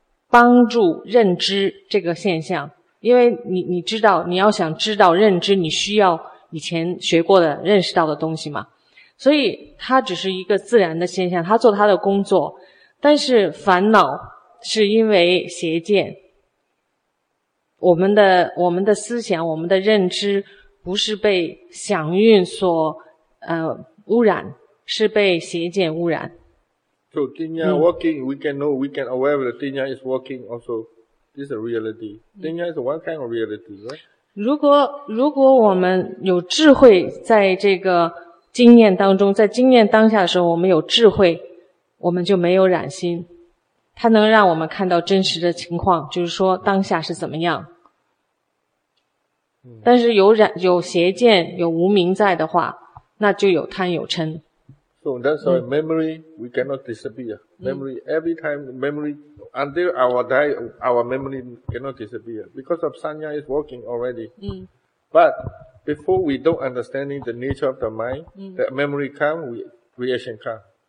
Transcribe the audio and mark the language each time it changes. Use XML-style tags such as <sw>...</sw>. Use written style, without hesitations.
<zh>帮助认知这个现象，因为你知道，你要想知道认知，你需要以前学过的认识到的东西嘛，所以它只是一个自然的现象，他做他的工作，但是烦恼是因为邪见，我们的思想，我们的认知不是被想运所污染，是被邪见污染。</zh> <en>So Tejaniya working, we can know, we can aware that Tejaniya is working also. This is a reality. Tejaniya is one kind of reality, right?</en> <zh>如果我们有智慧在这个经验当中，在经验当下的时候，我们有智慧，我们就没有染心。它能让我们看到真实的情况，就是说当下是怎么样。但是有邪见、有无明在的话，那就有贪有嗔。</zh> <en>So that's why memory we cannot disappear. Memory every time memory until our die, our memory cannot disappear because of sanya is working already. But before we don't understanding the nature of the mind, the memory come, reaction come.</en>